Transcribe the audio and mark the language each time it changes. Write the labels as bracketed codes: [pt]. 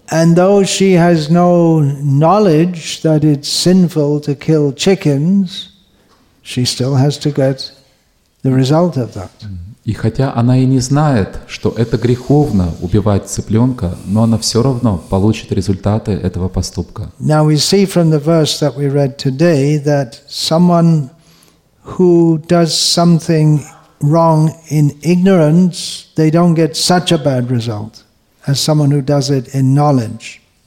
[en] And though she has no knowledge that it's sinful to kill chickens, she still has to get the result of that. [ru] И хотя она и не знает, что это греховно убивать цыпленка, но она все равно получит результаты этого поступка. [en] Now we see from the verse that we read today that someone who does something wrong in ignorance, they don't get such a bad result as someone who does it in knowledge.